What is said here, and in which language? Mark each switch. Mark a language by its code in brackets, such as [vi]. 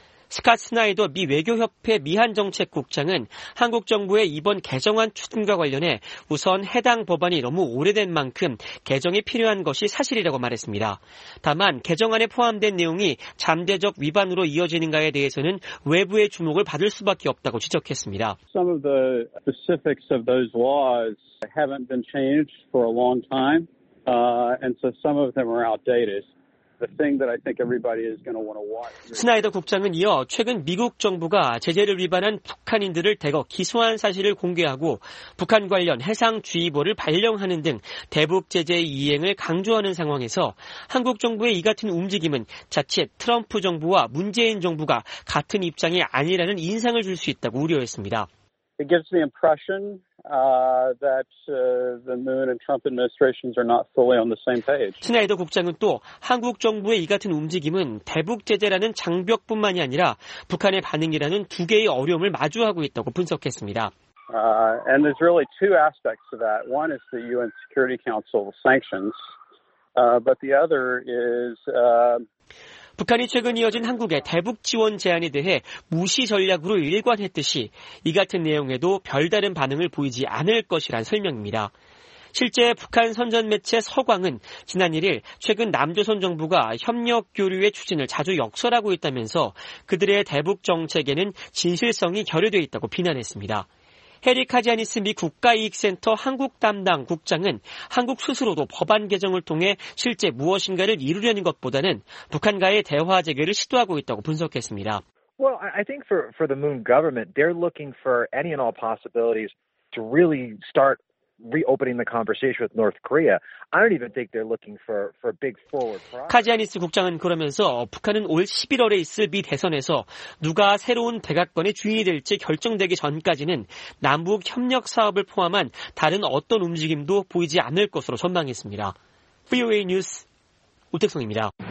[ko] 스캇 스나이더 미 외교협회 미한정책국장은 한국 정부의 이번 개정안 추진과 관련해 우선 해당 법안이 너무 오래된 만큼 개정이 필요한 것이 사실이라고 말했습니다. 다만 개정안에 포함된 내용이 잠재적 위반으로 이어지는가에 대해서는 외부의 주목을 받을 수밖에 없다고 지적했습니다. [en] Some of the specifics of those laws haven't been changed for a long time, and so some of them are outdated. The thing that I think everybody is going to want to watch. [ko] 스나이더 국장은 이어 최근 미국 정부가 제재를 위반한 북한인들을 대거 기소한 사실을 공개하고 북한 관련 해상 주의보를 발령하는 등 대북 제재 이행을 강조하는 상황에서 한국 정부의 이 같은 움직임은 자칫 트럼프 정부와 문재인 정부가 같은 입장이 아니라는 인상을 줄 수 있다고 우려했습니다. [en] It gives the impression that the Moon and Trump administrations are not fully on the same page. [ko] 스나이더 국장은 또 한국 정부의 이 같은 움직임은 대북 제재라는 장벽뿐만이 아니라 북한의 반응이라는 두 개의 어려움을 마주하고 있다고 분석했습니다. [en] And there's really two aspects to that. One is the UN Security Council sanctions, but the other is [ko] 북한이 최근 이어진 한국의 대북 지원 제안에 대해 무시 전략으로 일관했듯이 이 같은 내용에도 별다른 반응을 보이지 않을 것이란 설명입니다. 실제 북한 선전 매체 서광은 지난 1일 최근 남조선 정부가 협력 교류의 추진을 자주 역설하고 있다면서 그들의 대북 정책에는 진실성이 결여되어 있다고 비난했습니다. 해리 카지아니스 미 국가이익센터 한국 담당 국장은 한국 스스로도 법안 개정을 통해 실제 무엇인가를 이루려는 것보다는 북한과의 대화 재개를 시도하고 있다고 분석했습니다. [en] Well, I think for the Moon government, they're looking for any and all possibilities to really start reopening the conversation with North Korea. I don't even think they're looking for big forward progress. [ko] 카지아니스 국장은 그러면서 북한은 올 11월에 있을 미 대선에서 누가 새로운 백악관의 주인이 될지 결정되기 전까지는 남북 협력 사업을 포함한 다른 어떤 움직임도 보이지 않을 것으로 전망했습니다. VOA 뉴스 우택성입니다.